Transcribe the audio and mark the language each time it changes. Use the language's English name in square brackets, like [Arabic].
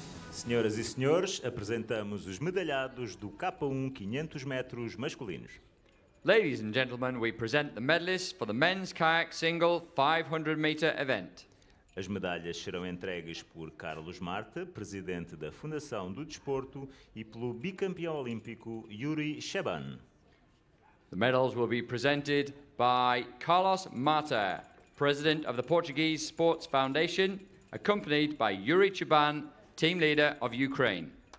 [Portuguese] Senhoras e senhores, apresentamos os medalhados do K1 500 metros masculinos. [English] Ladies and gentlemen, we present the medalists for the men's kayak single 500 meter event. [Portuguese] As medalhas serão entregues por Carlos Marta, presidente da Fundação do Desporto, e pelo bicampeão olímpico Yuri Sheban. [English] The medals will be presented by Carlos Marta, president of the Portuguese Sports Foundation, accompanied by Yuri Sheban, team leader of Ukraine.